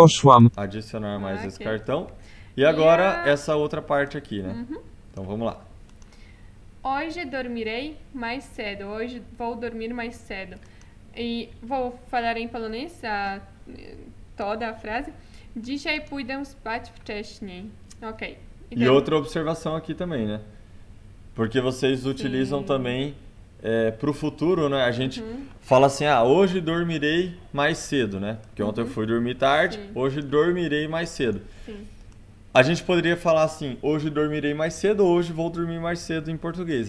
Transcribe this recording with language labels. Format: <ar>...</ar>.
<pl>poszłam.</pl> <pt>Adicionar mais esse Ok. cartão. E agora essa outra parte aqui, né? Então vamos lá. Hoje dormirei mais cedo. Hoje vou dormir mais cedo. E vou falar em polonês toda a frase.</pt> <pl>Dzisiaj pójdę spać wcześniej.</pl> <en>Ok.</en> <pt>E Então. outra observação aqui também, né? Porque vocês utilizam Sim. também para o futuro, né? A gente fala assim, ah, hoje dormirei mais cedo, né? Porque ontem eu fui dormir tarde, Sim. hoje dormirei mais cedo. Sim. A gente poderia falar assim, hoje dormirei mais cedo, hoje vou dormir mais cedo em português.</pt>